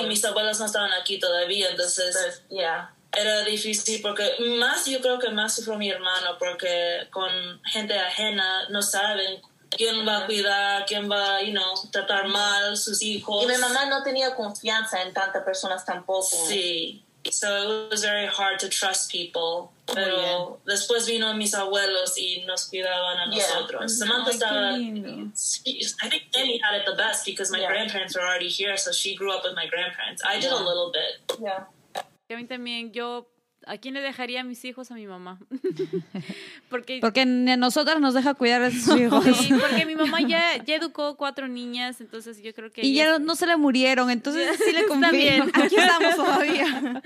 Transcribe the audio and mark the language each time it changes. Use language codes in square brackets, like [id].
[es] Sí, mis abuelos no estaban aquí todavía, entonces... Pues, yeah. Era difícil porque yo creo que más sufrió mi hermano, porque con gente ajena no saben quién va a cuidar, quién va a tratar mal sus hijos. Y mi mamá no tenía confianza en tantas personas tampoco. [en] Sí, so it was very hard to trust people. [es] Pero después vino mis abuelos y nos cuidaban a nosotros. Yeah. Samantha estaba... [en] I think Jenny had it the best because my grandparents were already here, so she grew up with my grandparents. I did a little bit. Yeah. [es] A mí también, ¿a quién le dejaría a mis hijos? A mi mamá. Porque ni a nosotras nos deja cuidar a sus hijos. Sí, porque mi mamá ya educó cuatro niñas, entonces yo creo que... Y ya no se le murieron, entonces ya, sí le conviene. Aquí estamos todavía.